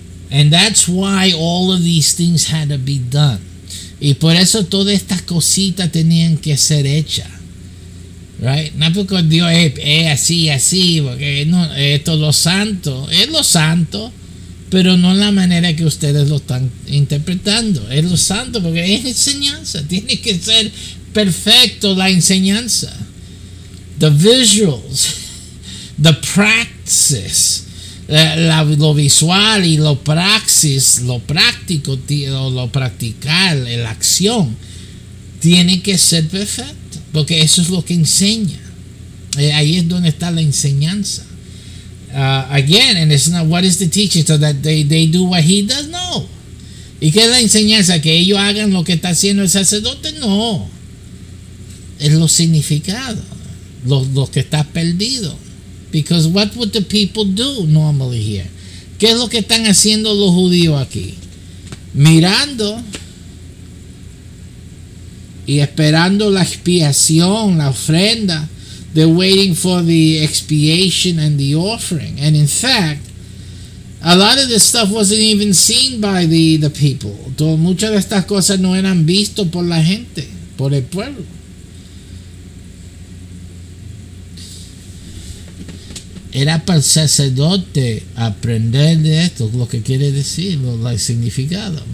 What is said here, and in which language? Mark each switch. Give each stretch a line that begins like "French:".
English: And that's why all of these things had to be done.
Spanish: Y por eso todas estas cositas tenían que ser hechas.
English: Right?
Spanish: No porque Dios es así, porque no, esto es lo santo. Es lo santo. Pero no la manera que ustedes lo están interpretando. Es lo santo porque es enseñanza. Tiene que ser perfecto la enseñanza.
English: The visuals. The praxis.
Spanish: Lo visual y lo praxis. Lo práctico. Lo practical. La acción. Tiene que ser perfecto. Porque eso es lo que enseña. Ahí es donde está la enseñanza.
English: Again, and it's not, what is the teaching? So that they do what he does? No.
Spanish: ¿Y qué es la enseñanza? ¿Que ellos hagan lo que está haciendo el sacerdote? No. Es lo significado. Lo que está perdido.
English: Because what would the people do normally here?
Spanish: ¿Qué es lo que están haciendo los judíos aquí? Mirando y esperando la expiación, la ofrenda.
English: They're waiting for the expiation and the offering. And in fact, a lot of this stuff wasn't even seen by the people.
Spanish: Muchas de estas cosas no eran visto por la gente, por el pueblo. Era para el sacerdote aprender de esto, lo que quiere decir, lo like, significado.